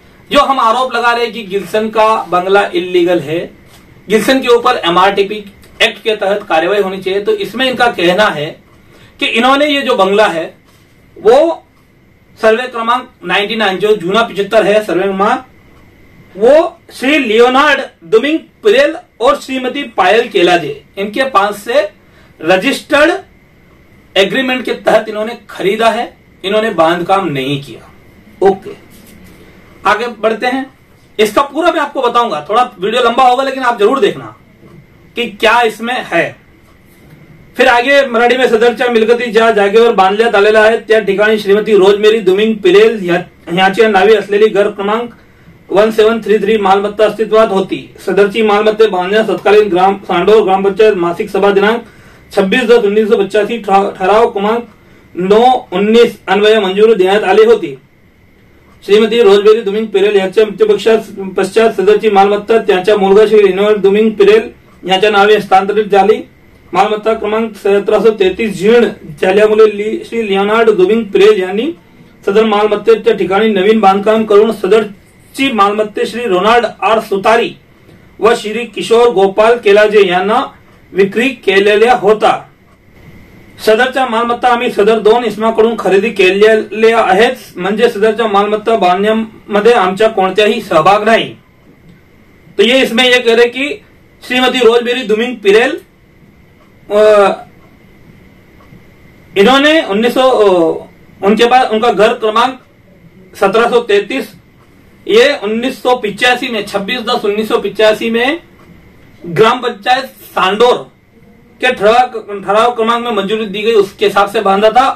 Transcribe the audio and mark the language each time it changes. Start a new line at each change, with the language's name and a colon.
Hindi: जो हम आरोप लगा रहे कि गिल्सन का बंगला इल्लीगल है, गिल्सन के ऊपर एमआरटीपी एक्ट के तहत कार्यवाही होनी चाहिए, तो इसमें इनका कहना है कि इन्होंने ये जो बंगला है वो सर्वे क्रमांक 99 जो जूना 75 है सर्वे क्रमांक, वो श्री लियोनार्ड दुमिंग पिरेल और श्रीमती पायल केलाजे इनके पास से रजिस्टर्ड एग्रीमेंट के तहत इन्होंने खरीदा है, इन्होंने बांध काम नहीं किया। ओके, आगे बढ़ते हैं, इसका पूरा मैं आपको बताऊंगा, थोड़ा वीडियो लंबा होगा लेकिन आप जरूर देखना कि क्या इसमें है। फिर आगे मराठी में
Marathi: सदरच्या मिलकती ज्या जागेवर बांधण्यात आलेला आहे त्या ठिकाणी श्रीमती रोजमेरी दुमिंग पिरेल ह्याच्या नावे असलेली घर क्रमांक 1733 मालमत्ता अस्तित्वात होती, सदरची मालमत्ते बांधण्यास तत्कालीन ग्राम सांडोर ग्रामपंचायत मासिक सभा दिनांक 26/10/1985 ठराव क्रमांक 9/19 अन्वये मंजूरी देण्यात आली होती। श्रीमती रोजबेरी दुमिंग पिरेल यांच्या मृत्यूपश्चात सदरची मालमत्ता त्यांच्या मुलगा श्री रिनोल्ड दुमिंग पिरेल यांच्या नावे हस्तांतरित झाली, मालमत्ता क्रमांक 1733 झीण झाल्यामुळे श्री लियोनार्ड दुमिंग पिरेल यांनी सदर मालमत्तेच्या ठिकाणी नवीन बांधकाम करून सदरची मालमत्ते श्री रोनाल्ड आर सुतारी व श्री किशोर गोपाल केलाजे यांना विक्री केलेल्या होता। सदरच्या मालमत्ता आम्ही सदर 2 इसमाकडून खरेदी केलेल्या आहेत, म्हणजे सदरच्या मालमत्ता बांधण्यामध्ये आमचा कोणत्याही सहभाग नाही।
Hindi: तो ये इसमें ये कह रहे कि श्रीमती रोजबेरी दुमिंग पिरेल इन्होंने 1900 उनके पास उनका घर क्रमांक 1733 ये 1985 में 26/10/1985 में ग्राम पंचायत सांडोर के ठराव क्रमांक में मंजूरी दी गई उसके हिसाब से बांधा था।